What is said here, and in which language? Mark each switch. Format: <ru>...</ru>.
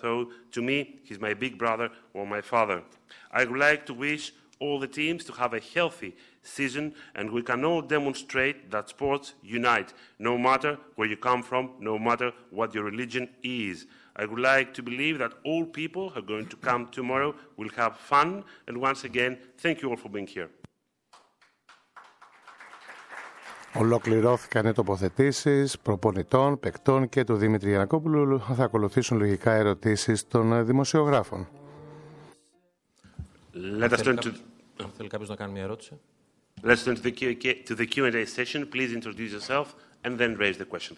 <en>So to me, he's my big brother or my father. I would like to wish all the teams to have a healthy season and we can all demonstrate that sports unite, no matter where you come from, no matter what your religion is. I would like to believe that all people who are going to come tomorrow will have fun. And once again, thank you all for being here.</en> <el>Ολοκληρώθηκαν οι τοποθετήσεις προπονητών, παικτών και του Δημήτρη Γιαννακόπουλου. Θα ακολουθήσουν λογικά ερωτήσεις των δημοσιογράφων. Θέλει κάποιος να κάνει μια ερώτηση.</el> <en>Let's turn to the Q&A session. Please introduce yourself and then raise the question.</en>